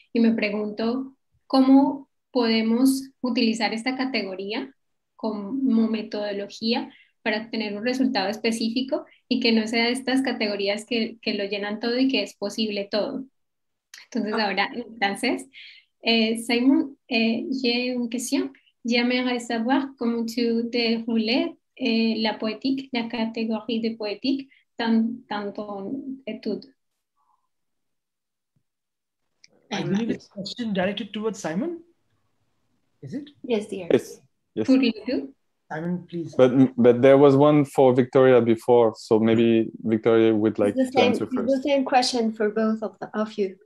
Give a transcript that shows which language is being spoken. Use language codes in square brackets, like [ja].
[es] Y me pregunto, ¿cómo podemos utilizar esta categoría como metodología para tener un resultado específico y que no sea de estas categorías que lo llenan todo y que es posible todo? Entonces, ahora en francés, [fr] Simon, j'ai une question. J'aimerais savoir comment tu déroulais la poétique, la catégorie de poétique dans ton étude. [en] I believe it's a question directed towards Simon. Is it? Yes, dear. Yes. Could you do? Simon, please. But there was one for Victoria before, so maybe Victoria would like to answer first. It's the same question for both of you.